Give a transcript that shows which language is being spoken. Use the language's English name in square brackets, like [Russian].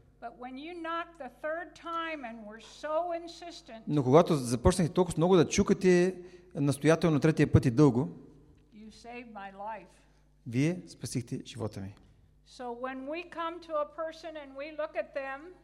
[English] But when you knocked the third time and were so insistent, [Bulgarian] но когато започнахте толкова много да чукате настоятелно третия път и дълго, [English] you saved my life. [Bulgarian] Вие спасихте живота ми. [English] So when we come to a person and we look at them,